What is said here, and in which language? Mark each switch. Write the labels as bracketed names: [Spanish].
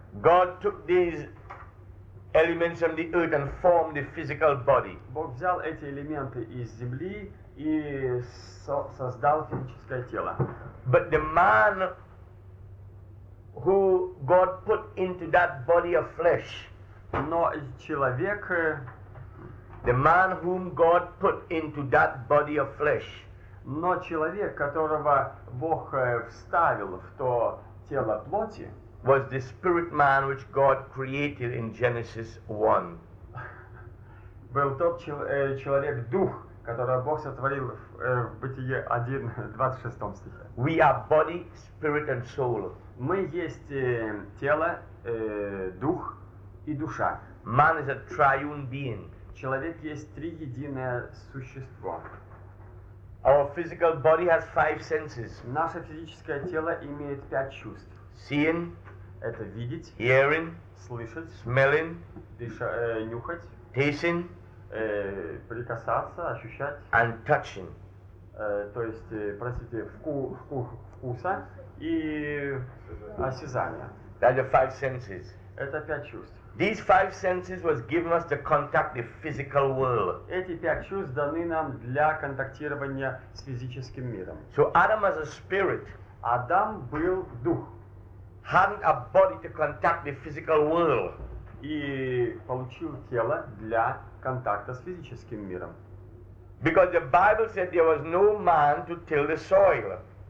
[English] God took these elements from the earth and formed the physical body. [Russian] Бог взял эти элементы из земли и создал физическое тело. [English] But the man who God put into that body of flesh, [Russian] но человек. [English] The man whom God put into that body of flesh. [Russian] Но человек, которого Бог вставил в то тело плоти, [English] was the spirit man which God created in Genesis 1. [Russian] Был тот человек дух, которого Бог сотворил в Бытие 1, 26 стихе. [English] We are body, spirit and soul. [Russian] Мы есть тело, дух и душа. [English] Man is a triune being. [Russian] Человек есть три единое существо. [English] Our physical body has five senses. [Russian] Наше физическое тело имеет пять чувств. [English] Seeing, [Russian] это видеть. [English] Hearing, [Russian] слышать. [English] Smelling, [Russian] нюхать. [English] Tasting, [Russian] прикасаться, ощущать. [English] And touching, [Russian] то есть, простите, вкуса и осязания. [English] That's the five senses. [Russian] Это пять чувств. [English] These five senses was given us to contact the physical world. [Russian] Эти пять чувств даны нам для контактирования с физическим миром. [English] So Adam as a spirit, [Russian] Адам был дух, [English] hadn't a body to contact the physical world, [Russian] и получил тело для контакта с физическим миром. [English] Because the Bible said there was no man to till the soil.